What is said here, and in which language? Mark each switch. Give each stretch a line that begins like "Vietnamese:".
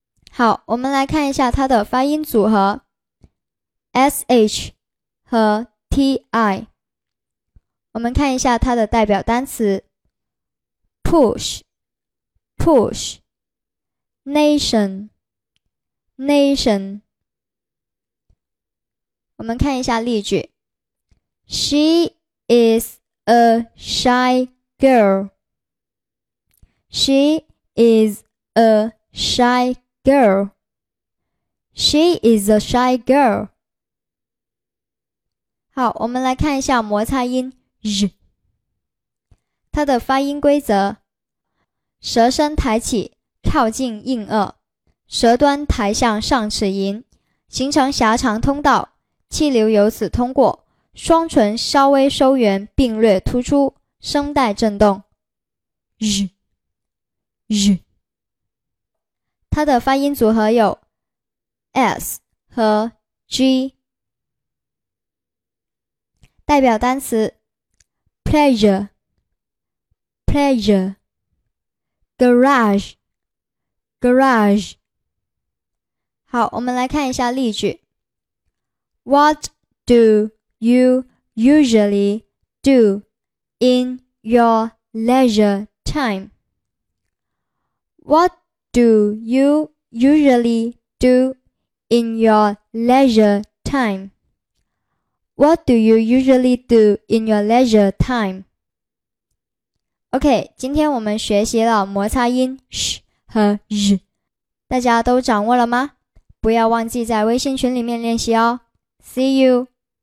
Chinese: 好，我们来看一下它的发音组合 SH 和 TI。我们看一下它的代表单词 Push Push Nation Nation。我们看一下例句
English: She is a shy girl She is a shy girlGirl, she is a shy girl.
Chinese: 好，我们来看一下摩擦音 z， 它的发音规则：舌身抬起，靠近硬腭，舌端抬向上齿龈，形成狭长通道，气流由此通过。双唇稍微收圆并略突出，声带震动。 z z。它的发音组合有 S 和 G。代表单词 Pleasure Pleasure Garage Garage。好，我们来看一下例句
English: What do you usually do in your leisure time? What do you usually do in your leisure time? What do you usually do in your leisure time?
Chinese: OK, 今天我们学习了摩擦音 sh 和 z， 大家都掌握了吗？不要忘记在微信群里面练习哦。
English: See you!